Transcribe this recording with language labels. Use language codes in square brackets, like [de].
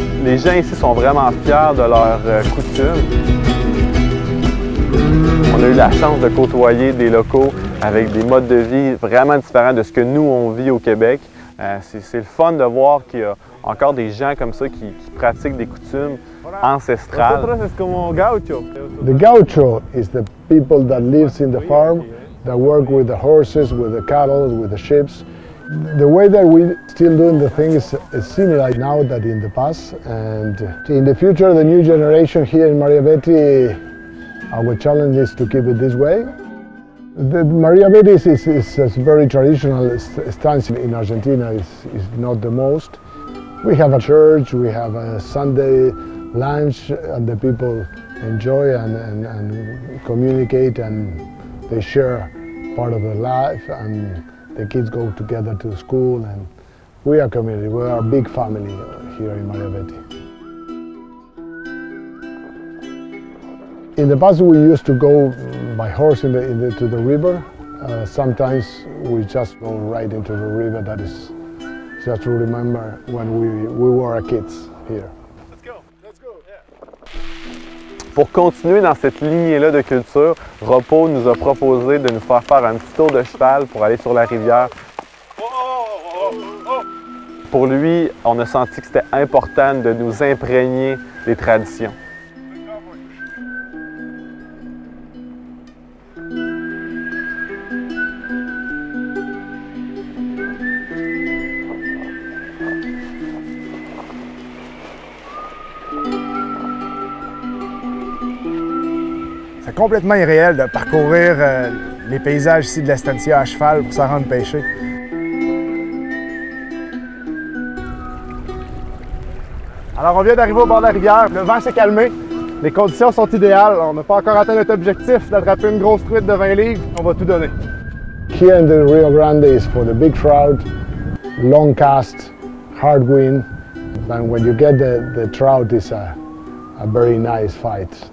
[fr] Les gens ici sont vraiment fiers de leurs coutumes. On a eu la chance de côtoyer des locaux avec des modes de vie vraiment différents de ce que nous, on vit au Québec. C'est le fun de voir qu'il y a encore des gens comme ça qui pratiquent des coutumes ancestrales. [en] The gaucho is the people that lives in the farm, that work with the horses, with the cattle, with the sheep. The way that we still doing the thing is similar now that in the past, and in the future, the new generation here in Maria Betty, our challenge is to keep it this way. The Maria Betty is a very traditional stance in Argentina, is not the most. We have a church, we have a Sunday lunch, and the people enjoy and communicate, and they share part of their life, and the kids go together to school, and we are a community, we are a big family here in Maria Betty. In the past, we used to go by horse to the river. Sometimes we just go right into the river. That is just to remember when we were kids here. Let's go. Yeah. [fr] Pour continuer dans cette lignée-là de culture, Ropo nous a proposé de nous faire faire un petit tour de cheval pour aller sur la rivière. Pour lui, on a senti que c'était important de nous imprégner des traditions. Complètement irréel de parcourir les paysages ici de l'Estancia à cheval pour s'en rendre pêcher. Alors, on vient d'arriver au bord de la rivière. Le vent s'est calmé. Les conditions sont idéales. On n'a pas encore atteint notre objectif d'attraper une grosse truite de 20 livres. On va tout donner. [en] Here in the Rio Grande is for the big trout, long cast, hard wind. And when you get the trout, it's a very nice fight.